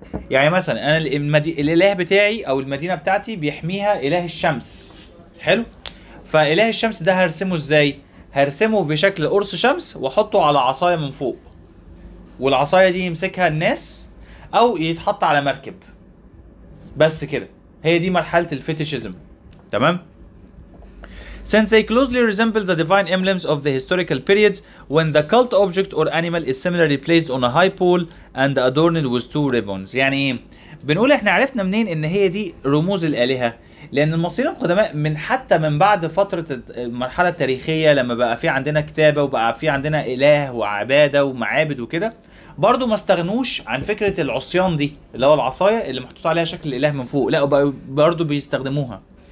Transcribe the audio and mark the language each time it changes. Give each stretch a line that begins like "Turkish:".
Arabic: يعني مثلا انا الاله بتاعي او المدينة بتاعتي بيحميها اله الشمس. حلو؟ فاله الشمس ده هرسمه ازاي؟ هرسمه بشكل قرص شمس واحطه على عصاية من فوق، والعصاية دي يمسكها الناس او يتحط على مركب. بس كده، هي دي مرحلة الفيتيشيزم. تمام؟
English: Since they closely resemble the divine emblems of the historical period when the cult object or animal is similarly placed on a high pole and adorned with two ribbons.
Arabic: يعني بنقول احنا عرفنا منين ان هي دي رموز الالهة؟ لان المصريين القدماء من حتى من بعد فترة المرحلة التاريخية لما بقى في عندنا كتابة وبقى في عندنا اله وعبادة ومعابد وكده، برضو ما استغنوش عن فكرة العصيان دي اللي هو العصاية اللي محطوط عليها شكل الاله من فوق. لا، برضو بيستخدموها.